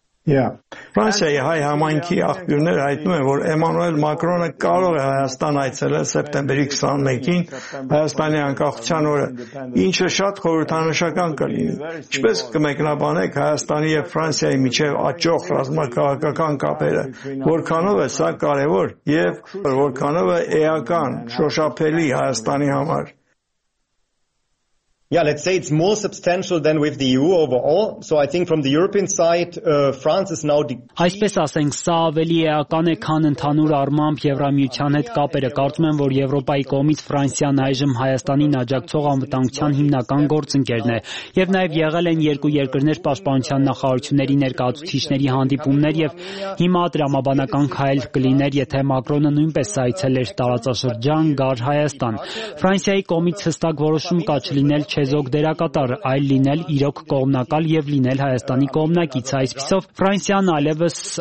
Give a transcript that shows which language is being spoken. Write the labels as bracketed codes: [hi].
[hy] Ֆրանսիայի հայ համայնքի աղբյուրները հայտնում են, որ Էմանուել Մակրոնը կարող է Հայաստան այցելել սեպտեմբերի 21-ին, Հայաստանի անկախության օրը, ինչը շատ խորհրդանշական կլինի։ Ինչպես կմեկնաբանեք Հայաստանի եւ Ֆրանսիայի միջև աճող ռազմաքաղաքական կապերը, որքանով է սա կարևոր եւ որքանով է էական, շոշափելի Հայաստանի համար։ [en] Yeah, let's say it's more substantial than with the EU overall. So I think from the European side, France is now the key. [hy] Այսպես ասենք, սա ավելի էական է, քան ընդհանուր առմամբ Եվրամիության հետ կապերը։ Կարծում եմ, որ Եվրոպայի կողմից Ֆրանսիան այժմ Հայաստանին աջակցող անվտանգության հիմնական գործընկերն է, եւ նաեւ եղել են երկու երկրներ պաշտպանության նախարարությունների ներկայացուցիչների հանդիպումներ, եւ հիմա դրամաբանական քայլ կլիներ, եթե Մակրոնը նույնպես այցելեր տարածաշրջան գար Հայաստան։ Ֆրանսիայի կողմից հստակ որոշում կա չլինել չեզոք դերակատար, այլ լինել իրոք կողմնակալ եւ լինել Հայաստանի կողմնակից։ Այսպիսով Ֆրանսիան այլևս